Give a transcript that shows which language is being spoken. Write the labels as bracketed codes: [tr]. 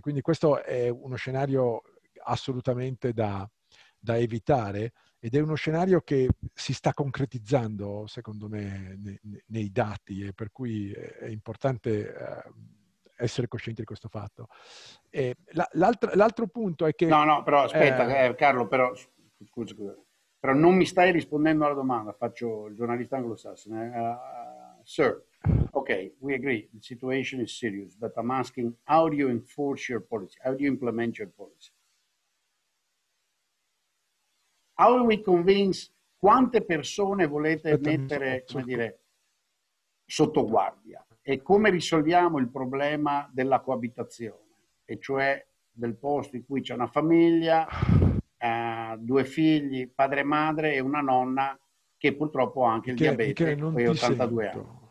[it] Quindi questo è uno scenario assolutamente da evitare ed è uno scenario che si sta concretizzando, secondo me, nei dati, e per cui è importante essere coscienti di questo fatto. E l'altro punto è che... No, però aspetta, Carlo, però... Scusa. Però non mi stai rispondendo alla domanda, faccio il giornalista anglosassone. [en] Sir, okay, we agree, the situation is serious, but I'm asking how do you enforce your policy, how do you implement your policy? How do we convince, [it] quante persone volete mettere, come dire, sotto guardia? E come risolviamo il problema della coabitazione, e cioè del posto in cui c'è una famiglia, due figli, padre e madre e una nonna che purtroppo ha anche il diabete e 82 anni.